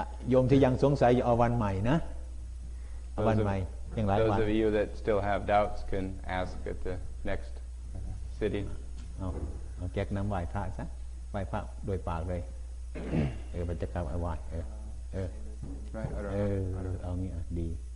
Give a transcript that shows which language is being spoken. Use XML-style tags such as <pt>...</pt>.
<th>โยมที่ยังสงสัยเอาวันใหม่นะเอาวันใหม่ยังหลายวัน</th> <en>Those of you that still have doubts can ask at the next sitting</en> <th>เอาเอาแก๊กน้ำไหว้พระซะไหว้พระโดยปากเลยเออบรรยากาศไหว้เออเออเออเอางี้ดี</th>